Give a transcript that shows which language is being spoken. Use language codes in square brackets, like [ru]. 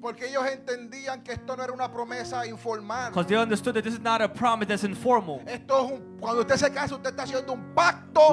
[es] Porque ellos entendían que esto no era una promesa informal. [en] Because they understood that this is not a promise that's informal. [es] Esto es un, cuando usted se casa, usted está haciendo un pacto.